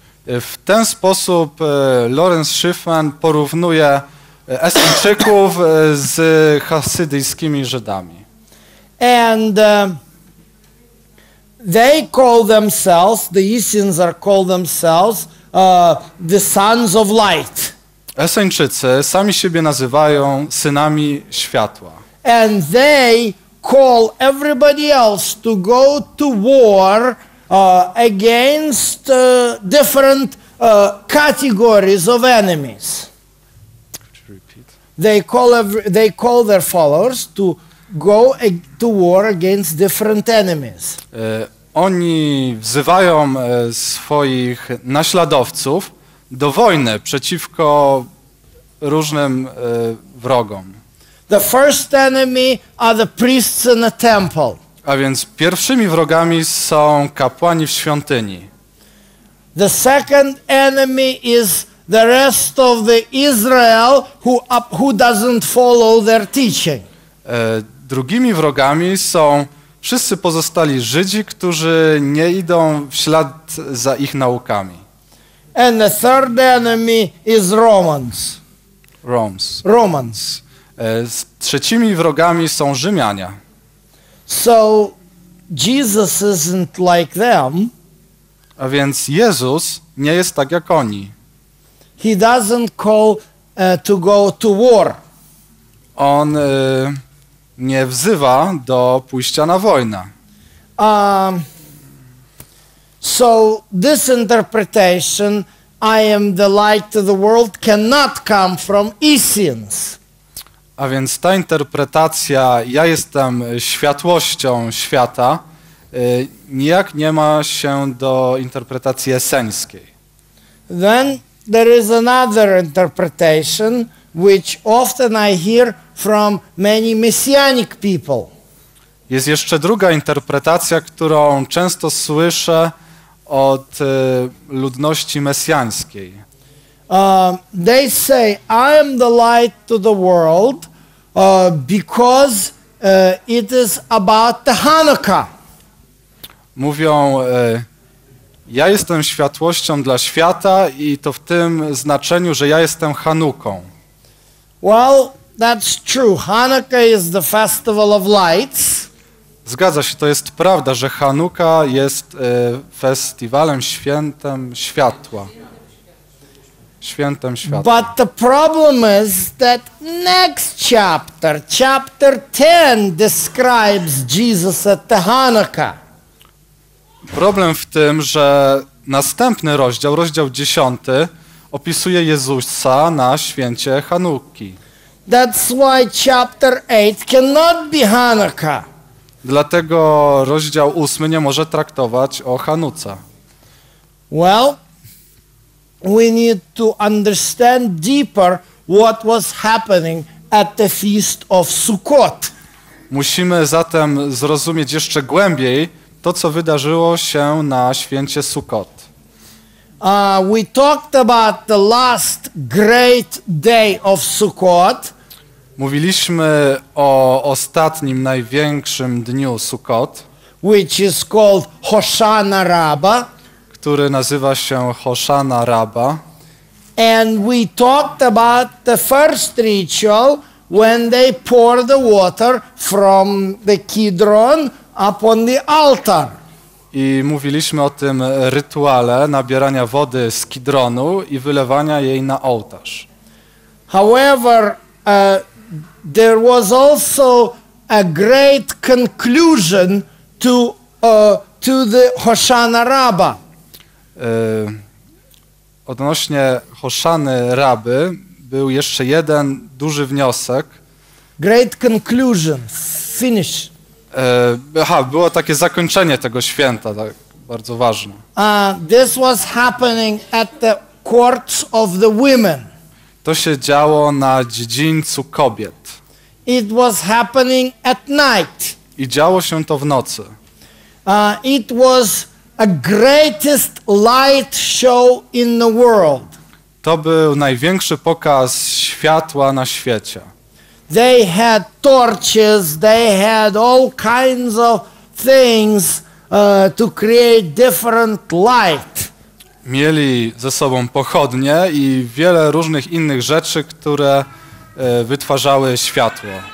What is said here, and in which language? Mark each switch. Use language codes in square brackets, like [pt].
[pl] W ten sposób Lawrence Schiffman porównuje Esenczyków z hasydyjskimi Żydami. [en] And they call themselves, the Essenes are called themselves, the sons of light. [pl] Esenczycy sami siebie nazywają synami światła. [en] And they call everybody else to go to war against different categories of enemies. Could you repeat? They call their followers to go to war against different enemies. [pl] Oni wzywają swoich naśladowców do wojny przeciwko różnym wrogom. [en] The first enemy are the priests in the temple. [pl] A więc pierwszymi wrogami są kapłani w świątyni. [en] The second enemy is the rest of the Israel who doesn't follow their teaching. [pl] Drugimi wrogami są wszyscy pozostali Żydzi, którzy nie idą w ślad za ich naukami. [en] And the third enemy is Romans. Romans. [pl] Z trzecimi wrogami są Rzymianie. [en] So Jesus isn't like them. [pl] A więc Jezus nie jest tak jak oni. [en] He doesn't call to go to war. [pl] On nie wzywa do pójścia na wojnę. [en] So this interpretation, I am the light to the world, cannot come from Essenes. [pl] A więc ta interpretacja, ja jestem światłością świata, nijak nie ma się do interpretacji esenckiej. [en] Then there is another interpretation, which often I hear from many messianic people. [pl] Jest jeszcze druga interpretacja, którą często słyszę od ludności mesjańskiej. [en] They say, I am the light to the world, because it is about the Hanukkah. [pl] Mówią, ja jestem światłością dla świata i to w tym znaczeniu, że ja jestem Hanuką. [en] Well, that's true. Hanukkah is the festival of lights. [pl] Zgadza się, to jest prawda, że Hanuka jest festiwalem, świętem światła. Świętem światła. [en] But the problem is that next chapter, chapter 10, describes Jesus at the Hanukkah. [pl] Problem w tym, że następny rozdział, rozdział 10, opisuje Jezusa na święcie Chanukki. [en] That's why chapter 8 cannot be Hanukkah. [pl] Dlatego rozdział 8 nie może traktować o Chanuce. [en] Well, we need to understand deeper what was happening at the feast of Sukkot. [pl] Musimy zatem zrozumieć jeszcze głębiej to, co wydarzyło się na święcie Sukkot. [en] We talked about the last great day of Sukkot. [pl] Mówiliśmy o ostatnim, największym dniu Sukkot, [en] which is called Hoshana Rabba, [pl] który nazywa się Hoshana Rabba. [en] And we talked about the first ritual when they pour the water from the Kidron upon the altar. [pl] I mówiliśmy o tym rytuale nabierania wody z Kidronu i wylewania jej na ołtarz. [en] However, there was also a great conclusion to the Hoshana Rabba. [pl] odnośnie Hoszany Rabby był jeszcze jeden duży wniosek. [en] Great conclusion, finish. [pl] Było takie zakończenie tego święta, tak, bardzo ważne. [en] This was happening at the courts of the women. [pl] To się działo na dziedzińcu kobiet. [en] It was happening at night. [pl] I działo się to w nocy. [en] It was a greatest light show in the world. [pl] To był największy pokaz światła na świecie. [en] They had torches, they had all kinds of things to create different light. [pl] Mieli ze sobą pochodnie i wiele różnych innych rzeczy, które wytwarzały światło.